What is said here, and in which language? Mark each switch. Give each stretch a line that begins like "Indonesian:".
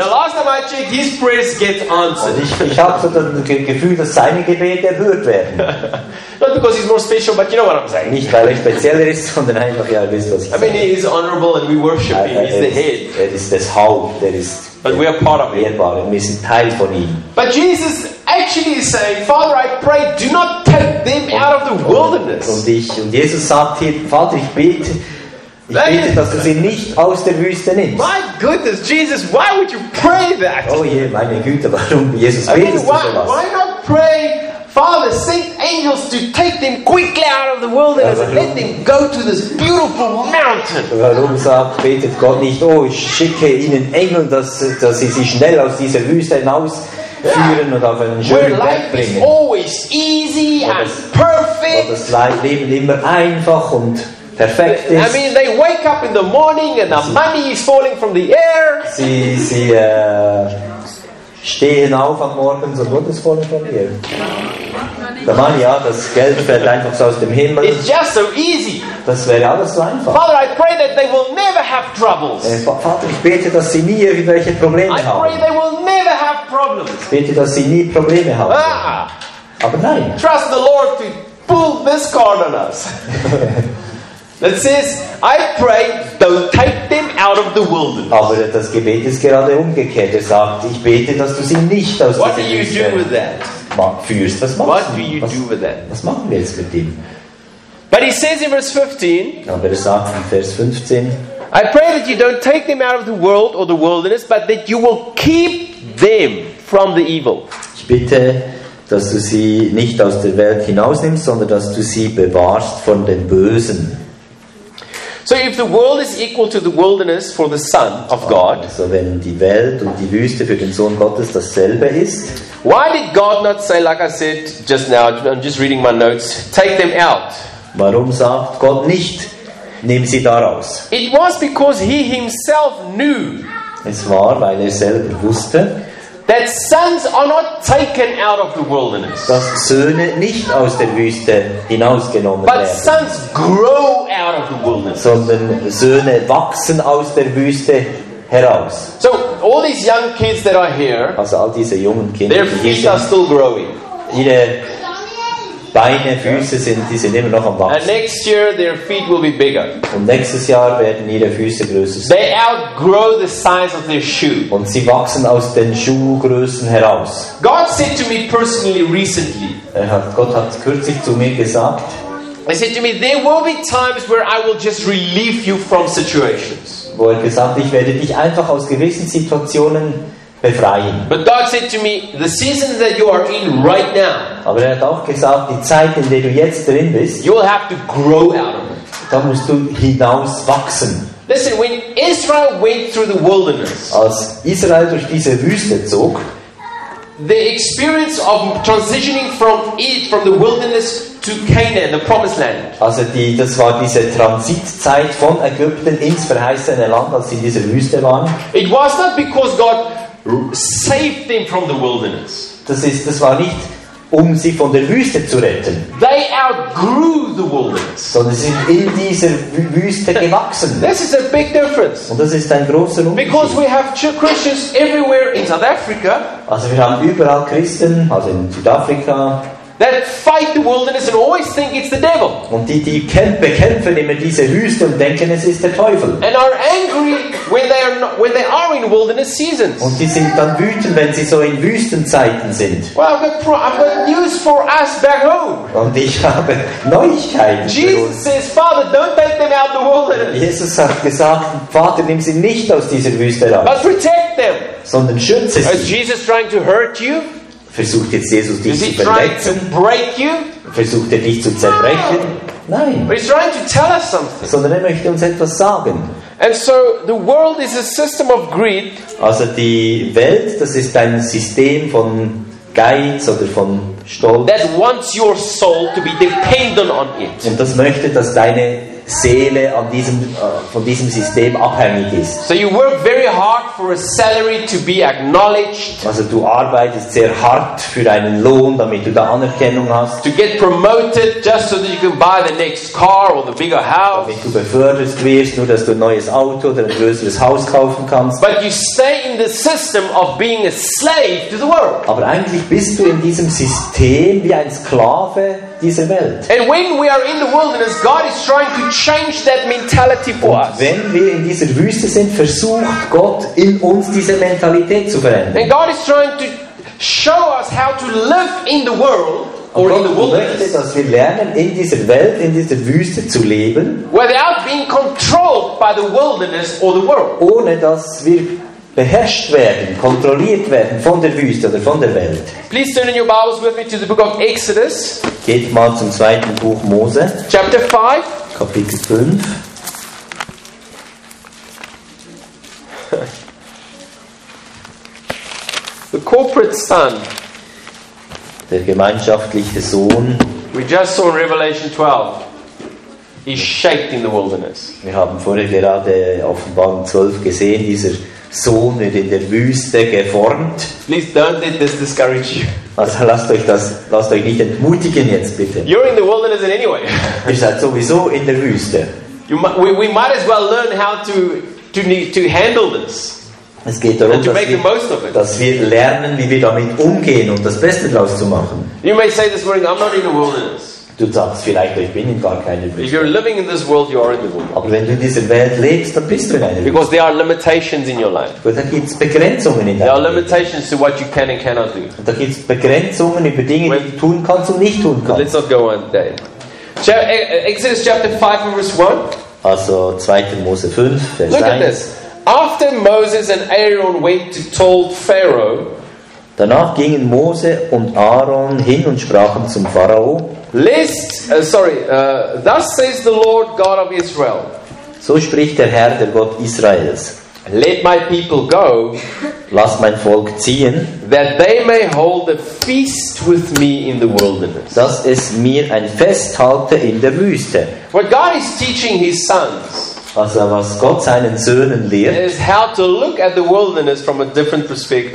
English: The last time I checked, his prayers get answered.
German: Und ich habe so das Gefühl, dass seine Gebete erhört werden.
English: Not because he's more special, but you know what I'm saying.
German: Nicht weil er spezieller ist, sondern einfach ja, wisst was ich sage.
English: I mean, he is honorable and we worship him. He's the head.
German: Er ist das Haupt. Er ist.
English: But we are part of it.
German: Wir sind Teil von ihm.
English: But Jesus actually is saying, Father, I pray, do not take them out of the wilderness.
German: Und Jesus sagt hier, Vater, ich bete, dass du sie nicht aus der Wüste nimmst.
English: My goodness, Jesus, why would you pray that?
German: Oh je, meine Güte, warum Jesus betest du sowas?
English: Why not pray, Father, send angels to take them quickly out of the wilderness and let them go to this beautiful mountain.
German: Warum sagt, betet Gott nicht, oh, ich schicke ihnen Engel, dass sie sich schnell aus dieser Wüste hinausführen und auf einen schönen Berg bringen.
English: Where life is always easy and perfect.
German: Wo das Leben immer einfach und perfekt ist.
English: I mean, they wake up in the morning and the money is falling from the air.
German: Stehen auf am Morgen, so Gott ist vorne von dir. Der Mann, ja, das Geld fällt einfach so aus dem Himmel.
English: It's just so easy.
German: Das wäre alles so einfach.
English: Father, I pray that they will never have troubles.
German: Vater, ich bete, dass sie nie irgendwelche Probleme haben.
English: I pray they will never have problems.
German: Ich bete, dass sie nie Probleme haben. Ah, aber nein.
English: Trust the Lord to pull this card on us. It says, I pray, don't take them out of the wilderness.
German: Aber das Gebet ist gerade umgekehrt. Er sagt, ich bete, dass du sie nicht aus
English: what
German: der Wüste führst. Was machen wir jetzt mit dem?
English: But he says in verse 15,
German: aber er sagt in Vers 15,
English: I pray that you don't take them out of the world or the wilderness, but that you will keep them from the evil.
German: Ich bitte, dass du sie nicht aus der Welt hinausnimmst, sondern dass du sie bewahrst von den Bösen.
English: So if the world is equal to the wilderness for the Son of God,
German: also wenn die Welt und die Wüste für den Sohn Gottes dasselbe ist,
English: why did God not say, like I said just now, I'm just reading my notes, take them out?
German: Warum sagt Gott nicht, nimm sie daraus?
English: It was because he himself knew.
German: Es war, weil er selber wusste,
English: that sons are not taken out of the wilderness.
German: Dass Söhne nicht aus der Wüste hinausgenommen
English: but
German: werden.
English: But sons grow out of the wilderness.
German: Sondern Söhne wachsen aus der Wüste heraus.
English: So all these young kids that are here,
German: also all diese jungen Kinder,
English: their feet are still growing.
German: Ihre Beine, Füße sind, die sind immer noch am Wachsen.
English: And next year their feet will be bigger.
German: Und nächstes Jahr werden ihre Füße größer sein.
English: They outgrow the size of their shoe.
German: Und sie wachsen aus den Schuhgrößen heraus.
English: God said to me personally recently.
German: Gott hat kürzlich zu mir gesagt.
English: He said to me, there will be times where I will just relieve you from situations.
German: Wo er gesagt, ich werde dich einfach aus gewissen Situationen befreien.
English: But God said to me, the season that you are in right now.
German: Aber er hat auch gesagt, die Zeit, in der du jetzt drin bist,
English: you will have to grow out of it.
German: Da musst du hinauswachsen.
English: Listen, when Israel went through the wilderness,
German: als Israel durch diese Wüste zog,
English: the experience of transitioning from the wilderness to Canaan, the promised land.
German: Also die, das war diese Transitzeit von Ägypten ins verheißene Land, als sie in dieser Wüste waren.
English: It was not because God saved them from the wilderness.
German: Das war nicht, um sie von der Wüste zu retten.
English: They outgrew the wilderness.
German: Sondern sie sind in dieser Wüste gewachsen.
English: This is a big difference.
German: Und das ist ein großer Unterschied.
English: Because we have Christians everywhere in South Africa.
German: Also wir haben überall Christen, also in Südafrika.
English: That fight the wilderness and always think it's the devil.
German: Und die bekämpfen immer diese Wüste und denken, es ist der Teufel.
English: And are angry when they are in wilderness seasons.
German: Und die sind dann wütend, wenn sie so in Wüstenzeiten sind.
English: Well, I've got news for us back home.
German: Und ich habe Neuigkeiten.
English: Jesus says, Father, don't take them out of the wilderness.
German: Jesus hat gesagt, Vater, nimm sie nicht aus dieser Wüste raus.
English: But protect them.
German: Sondern schütze sie.
English: Is Jesus trying to hurt you?
German: Versucht jetzt Jesus dich zu verletzen?
English: Break you?
German: Versucht er dich zu zerbrechen? Nein.
English: But he's trying to tell us something.
German: Sondern er möchte uns etwas sagen.
English: And so the world is a system of greed.
German: Also die Welt, das ist ein System von Geiz oder von Stolz.
English: That wants your soul to be dependent on it.
German: Und das möchte, dass deine Seele an diesem, von diesem System abhängig ist.
English: So you work very hard for a salary to be acknowledged.
German: Also du arbeitest sehr hart für einen Lohn, damit du da Anerkennung hast.
English: To get promoted just so that you can buy the next car or the bigger house.
German: Damit du befördert wirst, nur dass du ein neues Auto oder ein größeres Haus kaufen kannst.
English: But you stay in the system of being a slave to the world.
German: Aber eigentlich bist du in diesem System wie ein Sklave dieser Welt.
English: And when we are in the wilderness, God is trying to change that mentality for us.
German: Wenn wir in dieser Wüste sind, versucht Gott in uns diese Mentalität zu verändern.
English: And God is trying to show us how to live in the world or in the wilderness.
German: Gott möchte, dass wir lernen, in dieser Welt, in dieser Wüste zu leben,
English: without being controlled by the wilderness or the world.
German: Ohne dass wir beherrscht werden, kontrolliert werden von der Wüste oder von der Welt.
English: Please turn in your Bibles with me to the book of Exodus.
German: Geht mal zum zweiten Buch Mose.
English: Chapter 5.
German: Kapitel 5.
English: The corporate son.
German: Der gemeinschaftliche Sohn.
English: We just saw in Revelation 12. He's shaped in the wilderness.
German: Wir haben vorher gerade Offenbarung 12 gesehen, dieser Sohn wird in der Wüste geformt.
English: Please don't let this discourage you.
German: Also lasst euch nicht entmutigen jetzt bitte.
English: You're in the wilderness anyway.
German: Ihr seid sowieso in der Wüste.
English: We might as well learn how to handle this.
German: Es geht darum, dass wir lernen, wie wir damit umgehen und das Beste daraus zu machen.
English: You may say this morning, I'm not in the wilderness.
German: Du sagst vielleicht, ich bin in gar keiner Wüste.
English: If you're living in this world, you are in the world.
German: Aber wenn du in dieser Welt lebst, dann bist du in einer Wüste.
English: Because there are limitations in your life.
German: Da gibt es Begrenzungen in deinem
English: There are limitations to what you can and cannot do.
German: Da gibt es Begrenzungen über Dinge, die du tun kannst und nicht tun kannst.
English: Let's not go on today. Exodus chapter 5, verse 1.
German: Also 2. Mose 5, Vers 1.
English: Look at this. After Moses and Aaron went to told Pharaoh.
German: Danach gingen Mose und Aaron hin und sprachen zum Pharao.
English: Thus says the Lord God of Israel.
German: So spricht der Herr, der Gott Israels.
English: Let my people go.
German: Lass mein Volk ziehen.
English: That they may hold a feast with me in the wilderness.
German: Dass es mir ein Fest halte in der Wüste.
English: What God is teaching his sons.
German: Also was Gott seinen Söhnen lehrt,
English: is how to look at the wilderness from a different perspective.